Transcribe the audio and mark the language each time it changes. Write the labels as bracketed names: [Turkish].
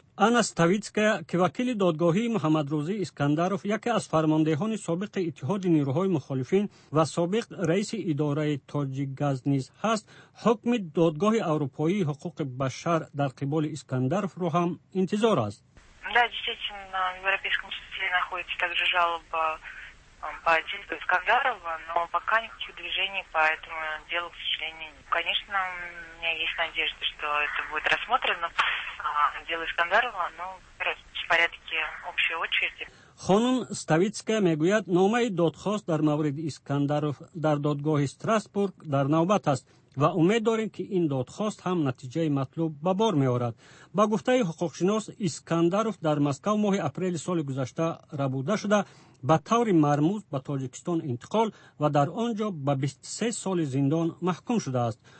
[Persian] آنا ستویتسکا که وکیل دادگاهی محمد روزی اسکندروف یکی از فرماندهان سابق اتحاد نیروهای مخالفین و سابق رئیس اداره تاجیک گاز نیز هست، حکم دادگاه اروپایی حقوق بشر در قبال اسکندروف را هم انتظار است. [Russian] Да, действительно, на Европейском суде находится также жалоба по Дениску Искандарову, но пока никаких движений по этому делу, к сожалению, нет. Конечно, у меня есть надежда, что это будет рассмотрено, дело Искандарова, но в порядке общей очереди. [Persian] خانم ستویتسکا میگوید نامه دادخواست در مورد اسکندروف در دادگاه استراسبورگ در نوبت است و امید داریم که این دادخواست هم نتیجه مطلوب به بار می‌آورد. با گفته حقوق شناس اسکندروف در مسکو ماه اپریل سال گذشته ربوده شده به طور مرموز به تاجیکستان انتقال و در آنجا به 23 سال زندان محکوم شده است.